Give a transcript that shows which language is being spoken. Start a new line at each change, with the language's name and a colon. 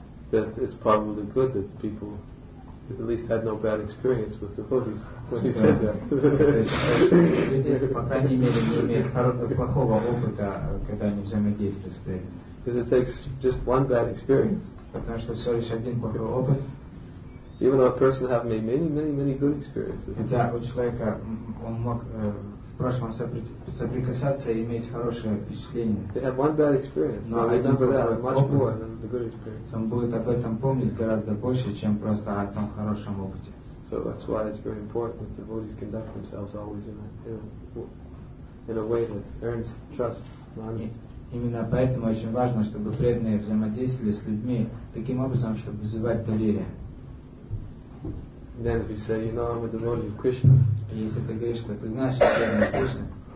English: That it's probably good that people at least had no bad experience with devotees when you said that.
Russian: Люди, по крайней мере, не имеют хорошего плохого опыта, когда они взаимодействуют с преданными.
English: Because it takes just one bad experience.
Russian: Потому что всего лишь один плохой опыт.
English: Even though a person had made many, many, many good experiences.
Russian: Хотя у человека он мог в прошлом соприкасаться и иметь хорошее впечатление.
English: They had one bad experience.
Russian: Но один плохой опыт. Он будет об этом помнить гораздо больше, чем просто о том хорошем опыте.
English: So that's why it's very important that devotees conduct themselves always in a way that earns trust.
Russian: Именно поэтому очень важно, чтобы преданные взаимодействовали с людьми таким образом, чтобы вызывать доверие.
English: Then if you say, you know, I'm a devotee of Krishna.
Russian: И если ты говоришь, что ты знаешь, что я преданный Кришне,